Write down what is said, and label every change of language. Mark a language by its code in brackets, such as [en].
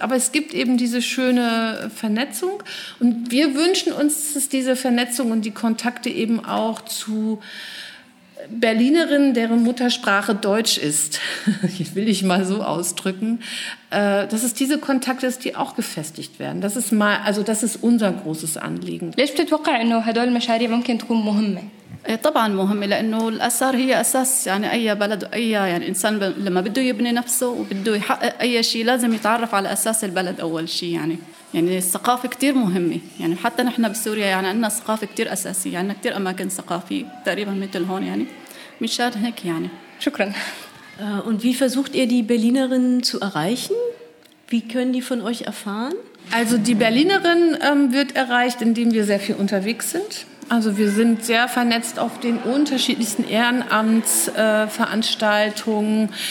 [de] Aber es gibt eben diese schöne Vernetzung und wir wünschen uns, dass es diese Vernetzung und die Kontakte eben auch zu Berlinerin, deren Muttersprache Deutsch ist, will ich mal so ausdrücken, dass es diese Kontakte ist, die auch gefestigt werden. Das ist mal, also das ist unser großes Anliegen. [ar] ليش بتتوقع انه هدول المشاريع ممكن تكون مهمة؟ طبعا مهمة لانه الاثار هي اساس يعني اي بلد اي يعني انسان لما بده يبني نفسه وبده يحقق اي شيء لازم يتعرف على اساس البلد اول شيء يعني. يعني الثقافة كتير مهمة يعني حتى نحن بسوريا يعني عندنا ثقافة كتير أساسية عندنا كتير أماكن ثقافية تقريبا مثل هون يعني مشان هيك يعني شكرا. [de] Und wie versucht ihr die Berlinerinnen zu erreichen? Wie können die von euch erfahren? Also die Berlinerin wird erreicht, indem wir sehr viel unterwegs sind. Also wir sind sehr vernetzt auf den unterschiedlichsten Ehrenamtsveranstaltungen.